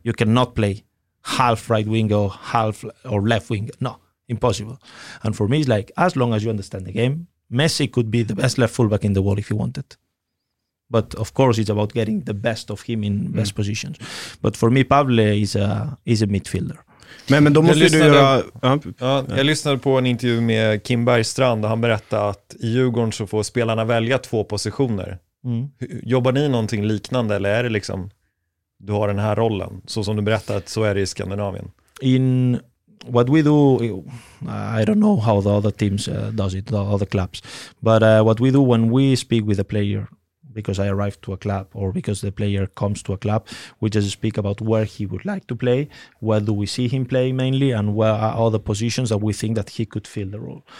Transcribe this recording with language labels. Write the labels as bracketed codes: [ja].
[en] You cannot play half right winger or half or left winger. No, impossible. And for me, it's like, as long as you understand the game, Messi could be the best left fullback in the world if he wanted. But of course, it's about getting the best of him in best positions. But for me, Pavle is a midfielder. [sv] Men då måste du göra... Jag lyssnade på en intervju med Kim Bergstrand och han berättade att i Djurgården så får spelarna välja två positioner. Mm. Jobbar ni någonting liknande eller är det liksom du har den här rollen? Så som du berättade, så är det i Skandinavien. [en] In what we do, I don't know how the other teams does it, the other clubs. But what we do when we speak with a player, because I arrived to a club or because the player comes to a club, we just speak about where he would like to play, where do we see him play mainly, and where are all the positions that we think that he could fill the role.